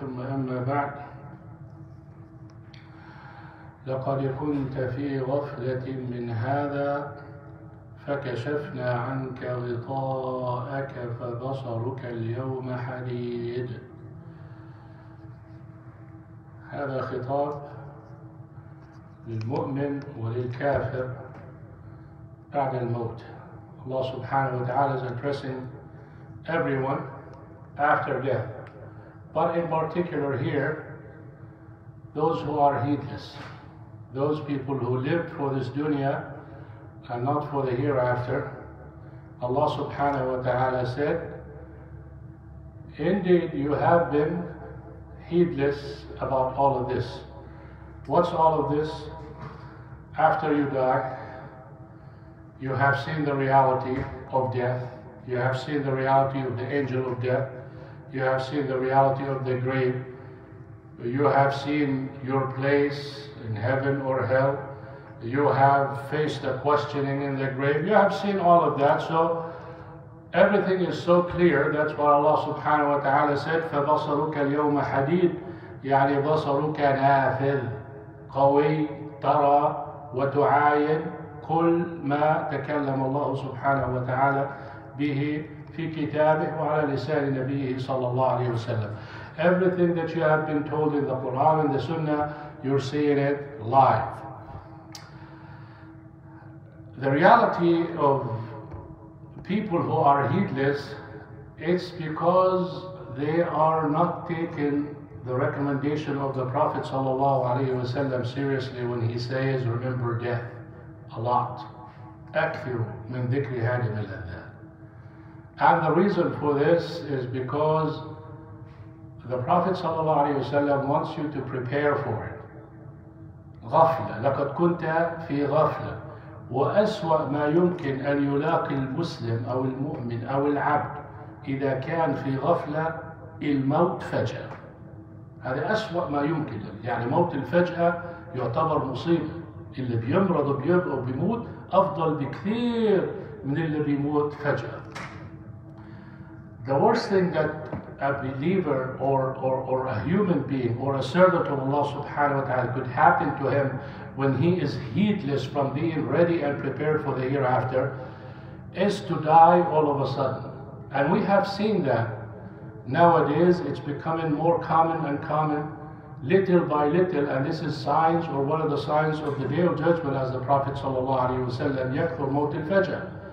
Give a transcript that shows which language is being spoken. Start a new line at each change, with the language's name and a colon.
Arabic: ثم أما بعد، لقد كنت في غفلة من هذا فكشفنا عنك غطاءك فبصرك اليوم حديد. هذا خطاب للمؤمن وللكافر بعد الموت.
English: Allah subhanahu wa ta'ala is addressing everyone after death, but in particular here, those who are heedless, those people who lived for this dunya and not for the hereafter. Allah subhanahu wa ta'ala said, indeed you have been heedless about all of this. What's all of this? After you die, you have seen the reality of death. You have seen the reality of the angel of death. You have seen the reality of the grave. You have seen your place in heaven or hell. You have faced the questioning in the grave. You have seen all of that. So everything is so clear. That's why Allah subhanahu wa ta'ala said,
Arabic: فَبَصَرُكَ الْيَوْمَ حَدِيدٌ يَعْنِي بَصَرُكَ نَافِذٌ قَوِي تَرَى وَتُعَايِنُ كل ما تكلم الله سبحانه وتعالى به في كتابه وعلى لسان نبيه صلى الله عليه وسلم.
English: Everything that you have been told in the Quran and the Sunnah, you're seeing it live. The reality of people who are heedless, it's because they are not taking the recommendation of the Prophet صلى الله عليه وسلم seriously when he says, remember death. A lot.
Arabic: أكثر من ذكر هذه الأذان.
English: And the reason for this is because the Prophet صلى الله عليه وسلم wants you to prepare for it.
Arabic: غفلة. لقد كنت في غفلة. وأسوأ ما يمكن أن يلاقي المسلم أو المؤمن أو العبد إذا كان في غفلة الموت فجأة. هذا أسوأ ما يمكن. يعني موت الفجأة يعتبر مصيبة. اللي بيمرض وبيموت أفضل بكثير من اللي بيموت فجأة.
English: The worst thing that a believer or a human being or a servant of Allah subhanahu wa ta'ala could happen to him when he is heedless from being ready and prepared for the hereafter is to die all of a sudden. And we have seen that nowadays it's becoming more common and common little by little, and this is signs or one of the signs of the Day of Judgment, as the Prophet sallallahu alaihi wasallam,
Arabic: yakthur maut al-fajr.